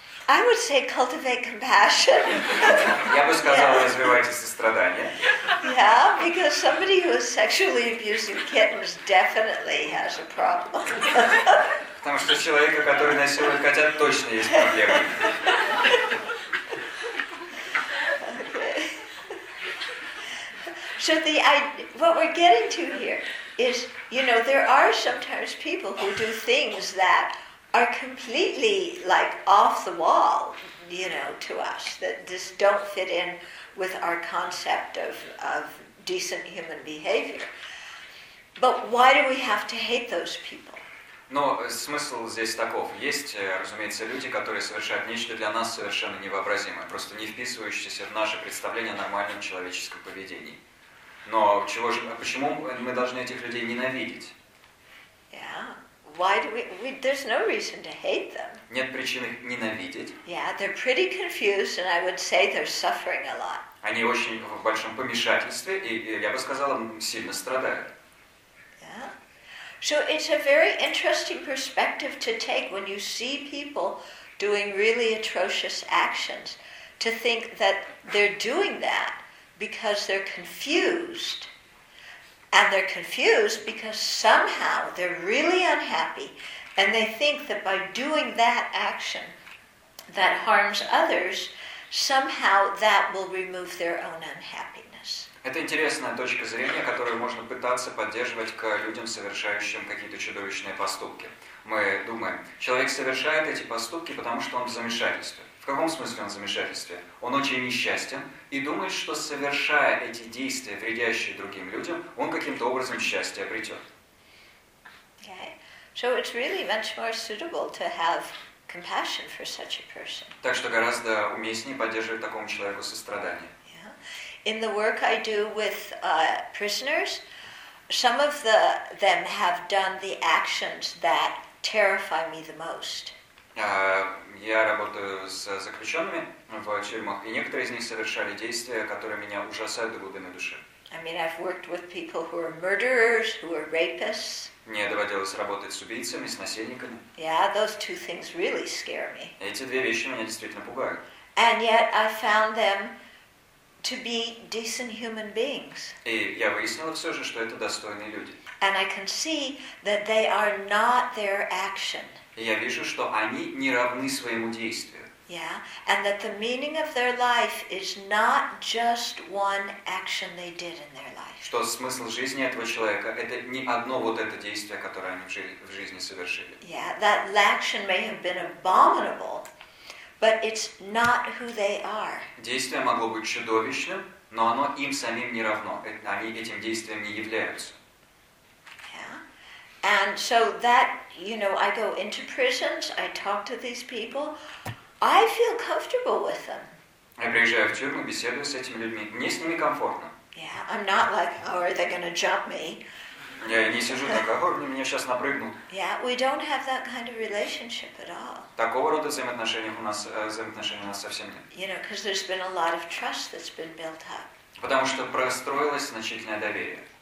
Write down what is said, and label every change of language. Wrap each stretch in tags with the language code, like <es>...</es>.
<en>I would say cultivate compassion.</en> <ru>Я бы сказала, развивайте сострадание.</ru> <en>Yeah, because somebody who is sexually abusing kittens definitely has a problem.</en> <ru>Потому что человека, который насилует котят, точно есть проблема.</ru> <en>So what we're getting to here is, you know, there are sometimes people who do things that are completely like off the wall, you know, to us, that just don't fit in with our concept of decent human behavior. But why do we have to hate those people?</en> <ru>Но смысл здесь таков. Есть, разумеется, люди, которые совершают нечто для нас совершенно невообразимое, просто не вписывающееся в наше представление о нормальном человеческом поведении. Но чего же, почему мы должны этих людей ненавидеть?</ru> <en>Yeah. Why do we there's no reason to hate them.</en> <ru>Нет причин их ненавидеть.</ru> <en>Yeah, they're pretty confused and I would say they're suffering a lot.</en> <ru>Они очень в большом помешательстве и я бы сказала, сильно страдают.</ru> <en>Yeah. So it's a very interesting perspective to take when you see people doing really atrocious actions to think that they're doing that because they're confused. And they're confused because somehow they're really unhappy and they think that by doing that action that harms others, somehow that will remove their own unhappiness.</en> <ru>Это интересная точка зрения, которую можно пытаться поддерживать к людям, совершающим какие-то чудовищные поступки. Мы думаем, человек совершает эти поступки, потому что он в замешательстве. В каком смысле он в замешательстве? Он очень несчастен и думает, что совершая эти действия, вредящие другим людям, он каким-то образом счастье обретет.</ru> <en>Okay. So it's really much more suitable to have compassion for such a person.</en> <ru>Так что гораздо уместнее поддерживать такому человеку сострадание.</ru> <en>Yeah. In the work I do with prisoners, some of them have done the actions that terrify me the most.</en> <ru>Я работаю с заключенными в тюрьмах, и некоторые из них совершали действия, которые меня ужасают до глубины души.</ru> <en>I mean, I've worked with people who are murderers, who are rapists.</en> <ru>Мне доводилось работать с убийцами, с насильниками.</ru> <en>Yeah, those two things really scare me.</en> <ru>Эти две вещи меня действительно пугают.</ru> <en>And yet I found them to be decent human beings.</en> <ru>И я выяснила все же, что это достойные люди.</ru> <en>And I can see that they are not their action.</en> <ru>И я вижу, что они не равны своему действию.</ru> <en>Yeah, and that the meaning of their life is not just one action they did in their life.</en> <ru>Что смысл жизни этого человека это не одно вот это действие, которое они в жизни совершили.</ru> <en>Yeah, that action may have been abominable, But it's not who they are.</en> <ru>Действие могло быть чудовищным, но оно им самим не равно. Они этим действием не являются.</ru> <en>And so that, you know, I go into prisons, I talk to these people, I feel comfortable with them.</en> <ru>Я приезжаю в тюрьму, беседую с этими людьми. Мне с ними комфортно.</ru> <en>Yeah, I'm not like, oh, are they going to jump me?</en> <ru>Я не сижу так, а они меня сейчас напрыгнут.</ru> <en>Yeah, we don't have that kind of relationship at all.</en> <ru>Такого рода взаимоотношений у нас совсем нет.</ru> <en>You know, because there's been a lot of trust that's been built up.</en> <ru>Потому что простроилось значительное доверие.</ru>